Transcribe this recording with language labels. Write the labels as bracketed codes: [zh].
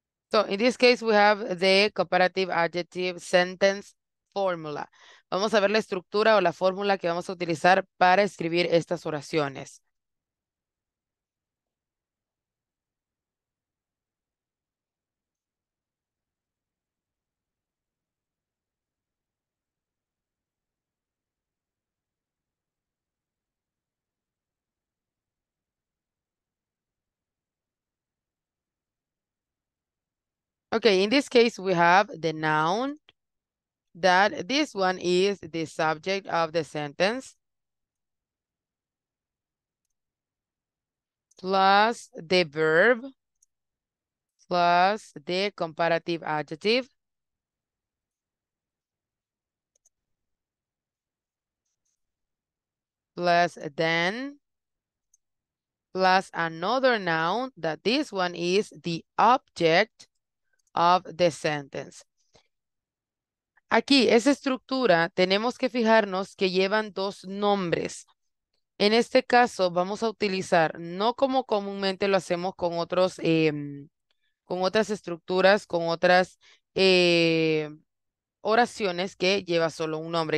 [en] So in this case, we have the comparative adjective sentence formula. [es] Vamos a ver la estructura o la fórmula que vamos a utilizar para escribir estas oraciones. [en] Okay, in this case, we have the noun that this one is the subject of the sentence plus the verb plus the comparative adjective. Plus then, plus another noun that this one is the object of the sentence. [es] Aquí, esa estructura, tenemos que fijarnos que llevan dos nombres. En este caso, vamos a utilizar, no como comúnmente lo hacemos con otros, con otras estructuras, con otras oraciones que lleva solo un nombre.